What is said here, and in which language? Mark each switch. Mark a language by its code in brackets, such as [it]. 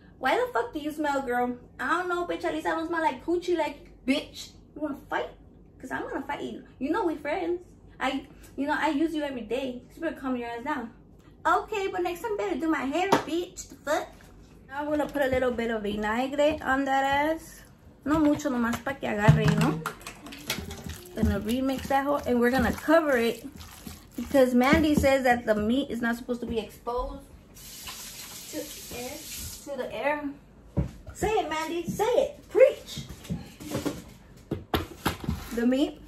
[en] Why the fuck do you smell, girl? I don't know, bitch. At least I don't smell like coochie, like, bitch. You want to fight? Because I'm going to fight you. You know we friends. I use you every day. You better calm your ass down. Okay, but next time better do my hair, bitch. The fuck? Now I'm going to put a little bit of vinaigre on that ass. [es] No mucho, nomás para que agarre, [en] you know? Gonna remix that whole, and we're gonna cover it because Mandy says that the meat is not supposed to be exposed to the air. Say it, Mandy, say it, preach! The meat?